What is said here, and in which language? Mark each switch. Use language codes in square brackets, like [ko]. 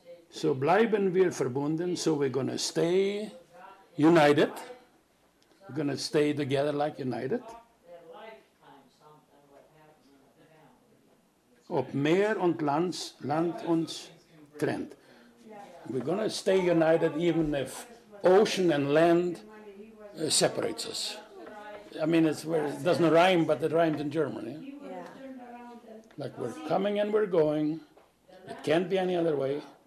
[de] So bleiben wir verbunden, [en] so we're going to stay united. We're going to stay together like united. [de] Ob Meer und Land uns trennt. [en] We're going to stay united even if ocean and land separates us. I mean, it doesn't rhyme, but it rhymes in German. Yeah? Yeah. Like we're coming and we're going. It can't be any other way.